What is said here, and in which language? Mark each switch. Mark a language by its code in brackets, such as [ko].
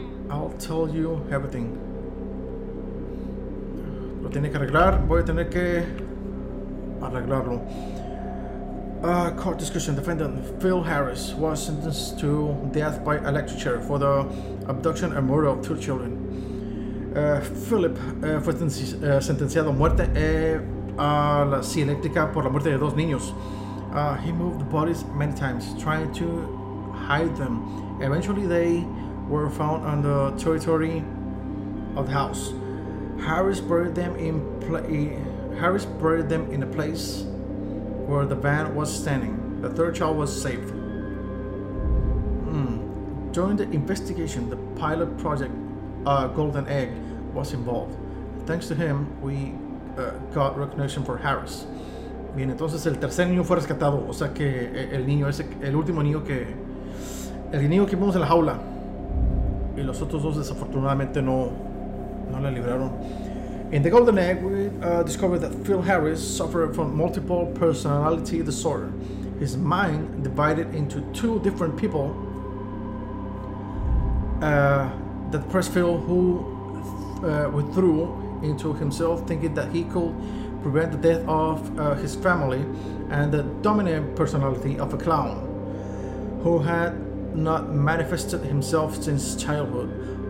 [en] I'll tell you everything. [es] Lo tiene que arreglar. Voy a tener que arreglarlo. [en] Court discussion. Defendant Phil Harris was sentenced to death by electric chair for the abduction and murder of two children. [es] Philip fue sentenciado a muerte a la silla eléctrica por la muerte de dos niños. [en] He moved the bodies many times, trying to hide them. Eventually, they were found on the territory of the house. Harris buried them in a place where the van was standing. The third child was saved. During the investigation, the pilot project Golden Egg was involved. Thanks to him, we got recognition for Harris. [es] Bien, entonces el tercer niño fue rescatado. O sea que el niño ese, el último niño que... El niño que vimos en la jaula. Y los otros dos desafortunadamente no la libraron. [en] In the Golden Egg, we discovered that Phil Harris suffered from multiple personality disorder. His mind divided into two different people. That pressed Phil, who withdrew into himself, thinking that he could prevent the death of his family, and the dominant personality of a clown, who had not manifested himself since childhood.